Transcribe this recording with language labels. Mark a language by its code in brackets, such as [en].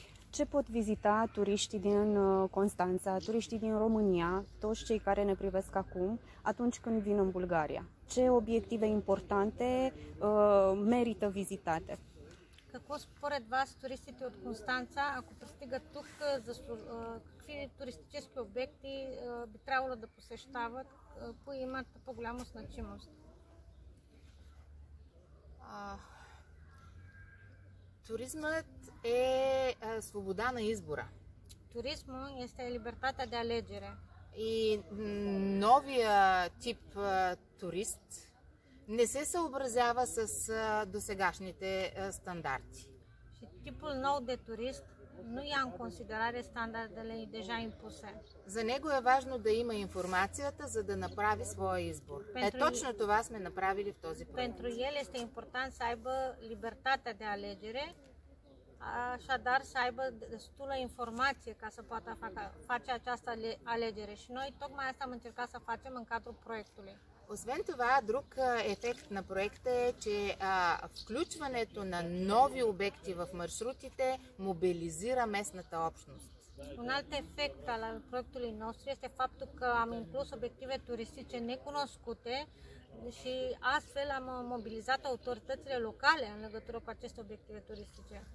[ro] Ce pot vizita turiștii din Constanța, turiștii din România, toți cei care ne privesc acum, atunci când vin în Bulgaria? Ce obiective importante merită vizitate? [bg] Какво според вас туристите от Констанца, ако пристигат тук, какви туристически обекти би трябвало да посещават, кои имат по-голяма значимост? Туризмът е свобода на избора. [ro] Туризмът este libertatea de alegere. [bg] И новия тип турист не се съобразява с досегашните стандарти. [ro] Și tipul nou de turist nu ia în considerare standardele deja impuse. [bg] За него е важно да има информацията, за да направи своя избор. Е, точно това сме направили в този проект. [ro] Pentru el este important să aibă libertatea de alegere, așadar să aibă destulă informație ca să poată face această alegere. Și noi tocmai asta am încercat să facem în cadrul proiectului. [bg] Освен това, друг ефект на проекта е, че включването на нови обекти в маршрутите мобилизира местната общност. [ro] Un alt efect al proiectului nostru este faptul că am inclus obiective turistice necunoscute și astfel am mobilizat autoritățile locale în legătură cu aceste obiective turistice.